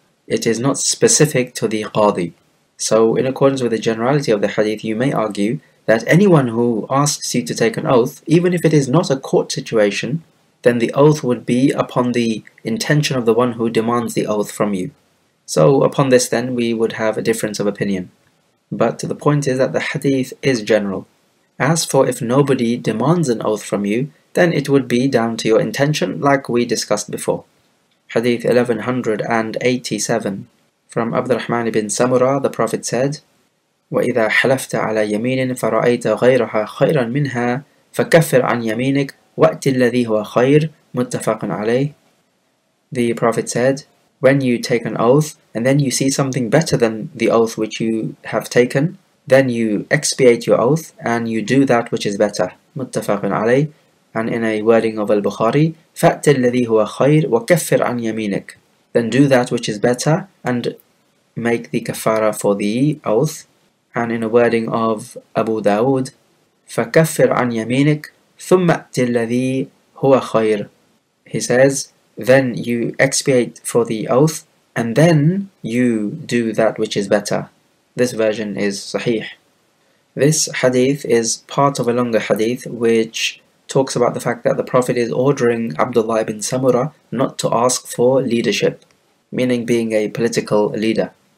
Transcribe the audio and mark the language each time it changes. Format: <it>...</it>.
<en>It is not specific to the qadi. So in accordance with the generality of the hadith, you may argue that anyone who asks you to take an oath, even if it is not a court situation, then the oath would be upon the intention of the one who demands the oath from you. So upon this then, we would have a difference of opinion. But the point is that the hadith is general. As for if nobody demands an oath from you, then it would be down to your intention, like we discussed before. Hadith 1187 from Abd al-Rahman ibn Samura, the Prophet said,</en> <ar>وَإِذَا حَلَفْتَ عَلَى يَمِينٍ فَرَأَيْتَ غَيْرَهَا خَيْرًا مِنْهَا فَكَفِّرْ عَنْ يَمِينِكَ وَأْتِ الَّذِي هُوَ خَيْرٌ مُتَّفَقٌ عَلَيْهِ.</ar> <en>The Prophet said, when you take an oath, and then you see something better than the oath which you have taken, then you expiate your oath, and you do that which is better.</en> <ar>مُتَّفَقٌ عَلَيْهِ.</ar> <en>And in a wording of Al-Bukhari,</en> <ar>فَأْتِ الَّذِي هُوَ خَيْرٌ وَكَفِّرْ عَنْ يَمِينِكَ.</ar> <en>Then do that which is better, and make the kafara for the oath. And in a wording of Abu Dawood,</en> <ar>فَكَفِّرْ عَنْ يَمِينِكَ ثُمَّ أَتِ الَّذِي هُوَ خَيْرٌ.</ar> <en>He says, then you expiate for the oath, and then you do that which is better. This version is sahih. This hadith is part of a longer hadith which talks about the fact that the Prophet is ordering Abdullah ibn Samura not to ask for leadership, meaning being a political leader.</en>